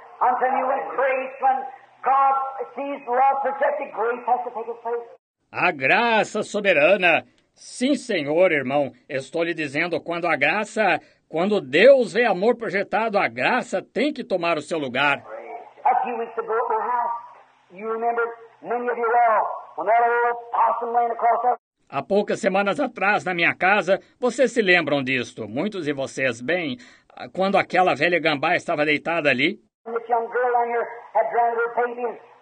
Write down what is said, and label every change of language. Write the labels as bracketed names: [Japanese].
[English] I'm telling you, with grace, when God sees love projected, grace has to take its place. [Portuguese] A graça soberana. Sim, senhor, irmão. Estou lhe dizendo, quando a graça... Quando Deus vê amor projetado, a graça tem que tomar o seu lugar. [English] A few weeks ago at my house, you remember many of you well, when that old possum laying across us. [Portuguese] Há poucas semanas atrás, na minha casa, vocês se lembram disto, muitos de vocês, bem, quando aquela velha gambá estava deitada ali. [English] This young girl on here had drowned her baby,